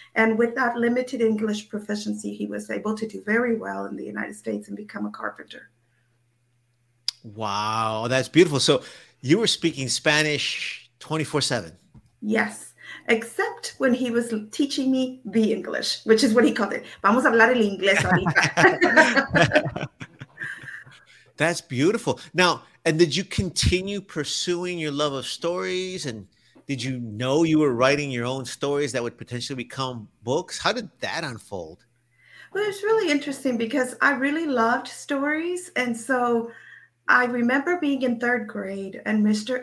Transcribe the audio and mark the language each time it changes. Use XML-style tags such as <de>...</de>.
<en>And with that limited English proficiency, he was able to do very well in the United States and become a carpenter. Wow, that's beautiful. So you were speaking Spanish 24/7. Yes, except when he was teaching me the English, which is what he called it.</en> <es>Vamos a hablar el inglés ahorita.</es> <en>That's beautiful. Now, and did you continue pursuing your love of stories? And did you know you were writing your own stories that would potentially become books? How did that unfold? Well, it's really interesting because I really loved stories. And so I remember being in third grade and Mr.</en>